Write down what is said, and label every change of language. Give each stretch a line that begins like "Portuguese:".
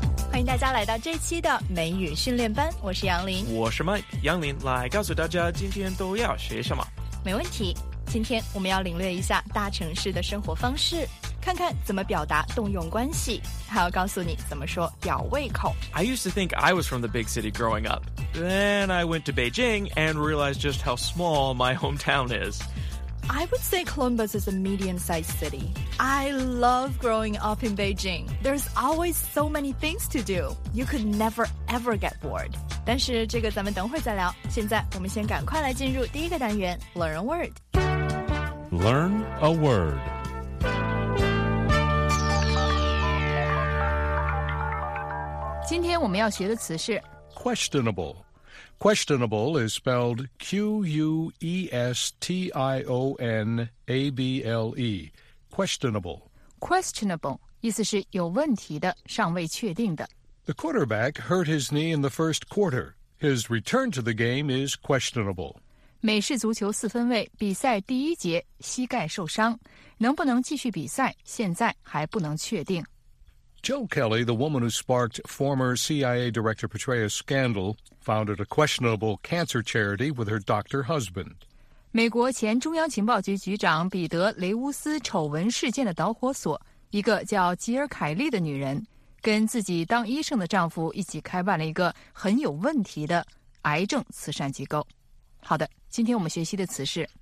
Chinese: 欢迎大家来到这期的美语训练班，我是杨林，我是 Mike。杨林，来告诉大家今天都要学什么。没问题，今天我们要领略一下大城市的生活方式，看看怎么表达动用关系，还要告诉你怎么说吊胃口。
English: I used to think I was from the big city growing up. Then I went to Beijing and realized just how small my hometown is. I would say Columbus is a medium-sized city. I love growing up in Beijing. There's always so many things to do. You could never ever get bored.
Chinese: 但是这个咱们等会儿再聊，现在我们先赶快来进入第一个单元 Learn a Word.
English: Learn a Word.
Chinese: 今天我们要学的词是
English: questionable. Questionable is spelled Q-U-E-S-T-I-O-N-A-B-L-E. Questionable.
Chinese: Questionable 意思是有问题的，尚未确定的。
English: The quarterback hurt his knee in the first quarter. His return to the game is questionable.
Chinese: 美式足球四分卫比赛第一节膝盖受伤，能不能继续比赛，现在还不能确定。
English: Jill Kelly, the woman who sparked former CIA Director Petraeus' scandal, founded a questionable cancer charity with her doctor husband.
Chinese: 美国前中央情报局局长彼得·雷乌斯丑闻事件的导火索，一个叫吉尔·凯利的女人，跟自己当医生的丈夫一起开办了一个很有问题的癌症慈善机构。好的，今天我们学习的词是